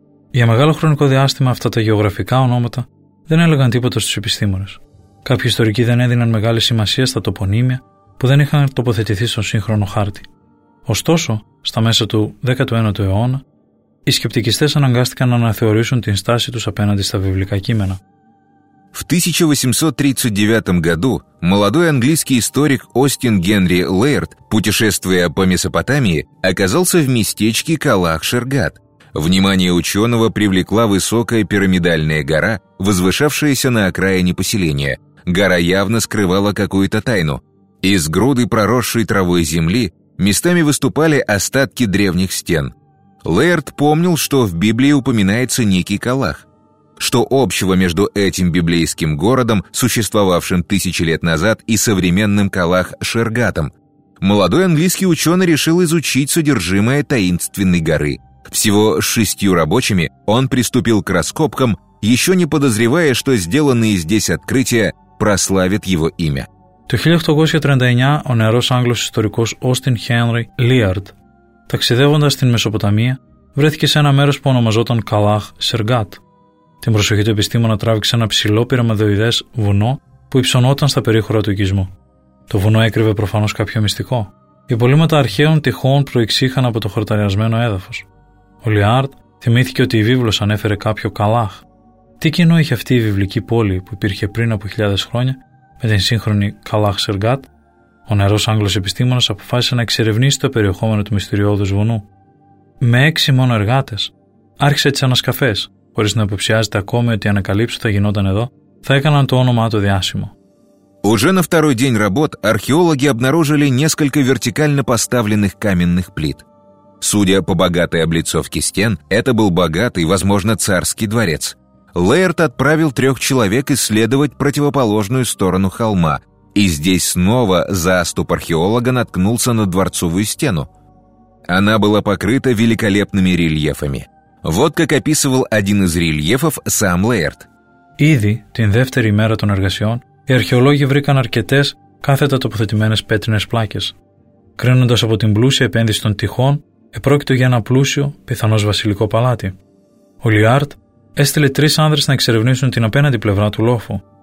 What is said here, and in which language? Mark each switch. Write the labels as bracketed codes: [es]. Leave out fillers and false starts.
[el] Για μεγάλο χρονικό διάστημα αυτά τα γεωγραφικά ονόματα δεν έλεγαν τίποτα στους επιστήμονες. Κάποιοι ιστορικοί δεν έδιναν μεγάλη σημασία στα τοπονύμια που δεν είχαν τοποθετηθεί στον σύγχρονο χάρτη. Ωστόσο, στα μέσα του 19ου αιώνα, οι σκεπτικιστές αναγκάστηκαν να αναθεωρήσουν την στάση τους απέναντι στα βιβλικά κείμενα. [ru] В 1839 году молодой английский историк Остин Генри Лейрд, путешествуя по Месопотамии, оказался в местечке Калах-Шергат. Внимание ученого привлекла высокая пирамидальная гора, возвышавшаяся на окраине поселения. Гора явно скрывала какую-то тайну. Из груды проросшей травой земли местами выступали остатки древних стен. Лейрд помнил, что в Библии упоминается некий Калах. Что общего между этим библейским городом, существовавшим тысячи лет назад, и современным Калах-Шергатом? Молодой английский ученый решил изучить содержимое таинственной горы. Всего с шестью рабочими он приступил к раскопкам, еще не подозревая, что сделанные здесь открытия прославят его имя. [el] Το 1839 ο νεαρός Άγγλος ιστορικός Όστιν Χένρι Λίαρντ, ταξιδεύοντας στην Μεσοποταμία, βρέθηκε σε ένα μέρος που ονομαζόταν Καλάχ-Σεργάτ. Την προσοχή του επιστήμονα τράβηξε ένα ψηλό πυραμιδοειδές βουνό που υψωνόταν στα περίχωρα του οικισμού. Το βουνό έκρυβε προφανώς κάποιο μυστικό. Υπολείμματα αρχαίων τυχών προηξήχαν από το χορταριασμένο έδαφος. Ο Λίαρντ θυμήθηκε ότι η Βίβλος ανέφερε κάποιο Καλάχ. Τι κοινό είχε αυτή η βιβλική πόλη που υπήρχε πριν από χιλιάδες χρόνια με την σύγχρονη Καλάχ-Σεργάτ? Ο νεαρός Άγγλος επιστήμονας αποφάσισε να εξερευνήσει το περιεχόμενο του μυστηριώδους βουνού. Με έξι μόνο εργάτες, άρχισε τις ανασκαφές, χωρίς να υποψιάζεται ακόμη ότι οι ανακαλύψεις θα γινόταν εδώ, θα έκαναν το όνομά του διάσημο. [ru] Уже на второй день работ археологи обнаружили несколько вертикально поставленных каменных плит. Судя по богатой облицовке стен, это был богатый, возможно, царский дворец. Лейрд отправил трех человек исследовать противоположную сторону холма, и здесь снова заступ археолога наткнулся на дворцовую стену. Она была покрыта великолепными рельефами. Вот как описывал один из рельефов сам Лейрд. [el] Ήδη την δεύτερη ημέρα των εργασιών, οι αρχαιολόγοι βρήκαν αρκετές κάθετα τοποθετημένες πέτρινες πλάκες. Κρίνοντας από την πλούσια επένδυση των τυχών, επρόκειτο για ένα πλούσιο, πιθανώς βασιλικό παλάτι. Ο Λίαρντ έστειλε τρεις άνδρες να εξερευνήσουν την απέναντι πλευρά του λόφου.